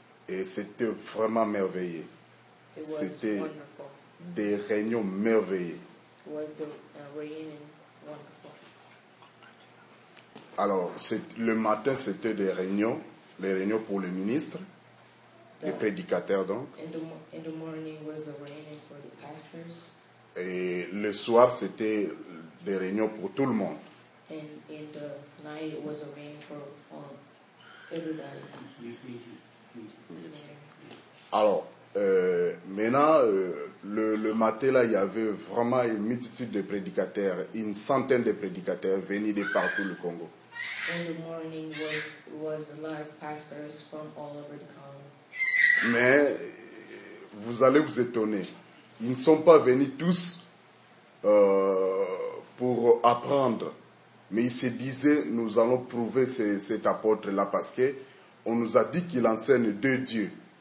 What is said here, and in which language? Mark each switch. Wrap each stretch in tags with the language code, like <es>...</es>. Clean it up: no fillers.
<fr>Et c'était vraiment merveilleux. C'était des réunions merveilleuses.</fr> <en>Was the wonderful.</en> <fr>Alors, le matin, c'était des réunions, les réunions pour les ministres, les prédicateurs donc.</fr> <en>In the morning was the reunion for the pastors.</en> <fr>Et le soir, c'était des réunions pour tout le monde.</fr> <en>And in the night, it was a rain for everybody.</en> <fr>Alors, maintenant, le matin, là, il y avait vraiment une multitude de prédicateurs, une centaine de prédicateurs venus de partout le Congo.</fr> <en>In the morning was a lot of pastors from all over the Congo.</en> <fr>Mais vous allez vous étonner. Ils ne sont pas venus tous pour apprendre. Mais ils se disaient, nous allons prouver cet apôtre-là parce que on nous a dit qu'il enseigne deux dieux.</fr>